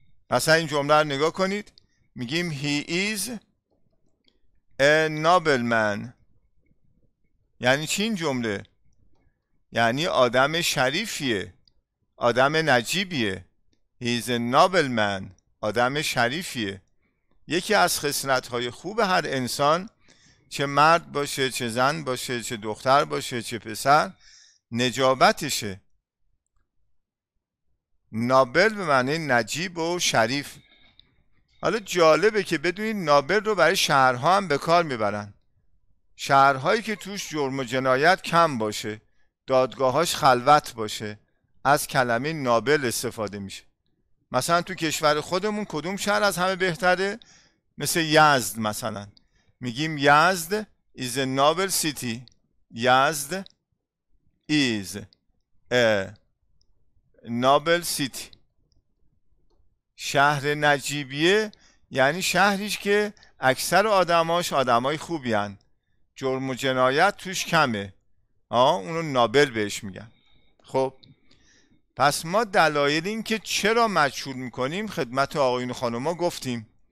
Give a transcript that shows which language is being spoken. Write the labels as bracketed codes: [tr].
[fa] مثلا این جمله رو نگاه کنید، میگیم [en] He is a nobleman. [fa] یعنی چی این جمله؟ یعنی آدم شریفیه، آدم نجیبیه. [en] He is a nobleman، [fa] آدم شریفیه. یکی از خصلت‌های خوب هر انسان، چه مرد باشه، چه زن باشه، چه دختر باشه، چه پسر، نجابتشه. نوبل به معنی نجیب و شریف. حالا جالبه که بدونید نوبل رو برای شهرها هم به کار میبرن، شهرهایی که توش جرم و جنایت کم باشه، دادگاهاش خلوت باشه، از کلمه نوبل استفاده میشه. مثلا تو کشور خودمون کدوم شهر از همه بهتره؟ مثل یزد. مثلا میگیم [en] Yazd is a noble city. Yazd is a noble city. [fa] شهر نجیبیه یعنی شهریش که اکثر آدماش آدمای خوبی هن. جرم و جنایت توش کمه. اونو نابل بهش میگن. خب پس ما دلایل این که چرا مجهول میکنیم خدمت آقایون و خانوما گفتیم.